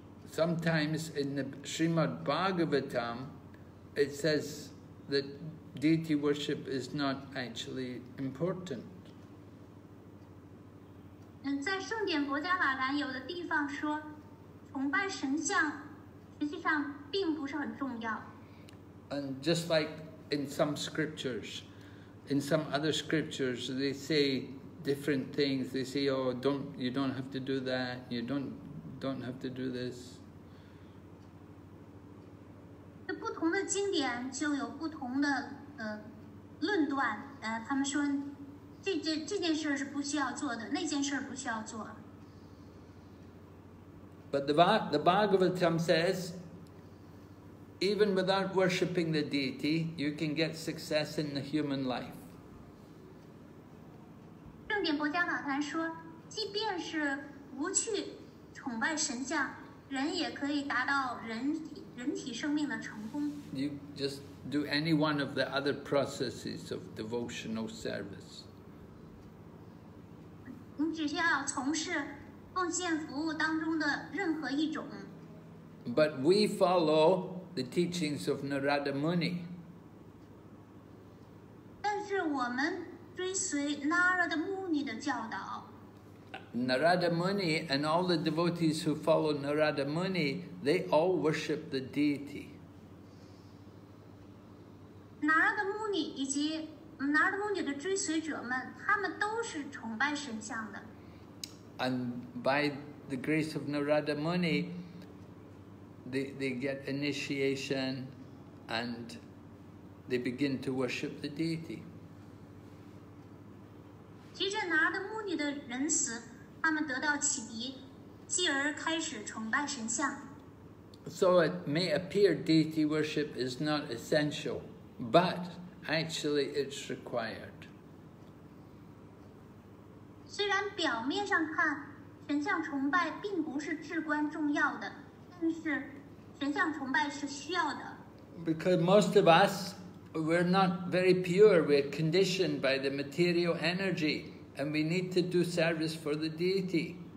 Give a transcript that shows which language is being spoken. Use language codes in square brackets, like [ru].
[en] Sometimes in the Srimad Bhagavatam, it says that deity worship is not actually important. [zh] 在圣典博迦瓦兰有的地方说，崇拜神像实际上并不是很重要。 [en] And just like in some scriptures, in some other scriptures, they say. Different things. They say, oh, you don't have to do that. You don't have to do this. [zh] 不同的经典就有不同的论断。他们说这件事是不需要做的，那件事不需要做。 [en] But the Bhagavatam says, even without worshipping the deity, you can get success in the human life. [zh] 圣典博迦瓦坛说，即便是不去崇拜神像，人也可以达到人体生命的成功。 [en] You just do any one of the other processes of devotional service. [zh] 你只需要从事奉献服务当中的任何一种。 [en] But we follow the teachings of Narada Muni. [zh] 我们追随 Narada Muni 的教导。 [en] Narada Muni and all the devotees who follow Narada Muni, they all worship the deity. [zh] Narada Muni 以及 Narada Muni 的追随者们，他们都是崇拜神像的。 [en] And by the grace of Narada Muni, they get initiation and they begin to worship the deity. [zh] 随着 Narada Muni 的仁慈，他们得到启迪，继而开始崇拜神像。 [en] So it may appear deity worship is not essential, but actually it's required. [zh] 虽然表面上看神像崇拜并不是至关重要的，但是神像崇拜是需要的。 [en] Because most of us, we're not very pure, we're conditioned by the material energy. And we need to do service for the deity.